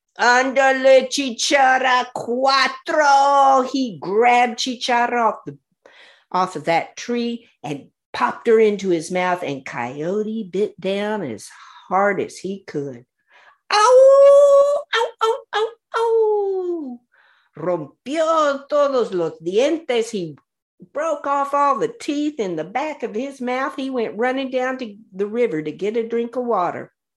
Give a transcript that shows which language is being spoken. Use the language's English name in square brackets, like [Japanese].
[Spanish] Andale, Chichara. Cuatro. [English] He grabbed Chichara off of that tree and popped her into his mouth, and Coyote bit down as hard as he could. Ow! Ow, ow, ow, ow! [Spanish] Rompió todos los dientes. [English] He broke off all the teeth in the back of his mouth. He went running down to the river to get a drink of water.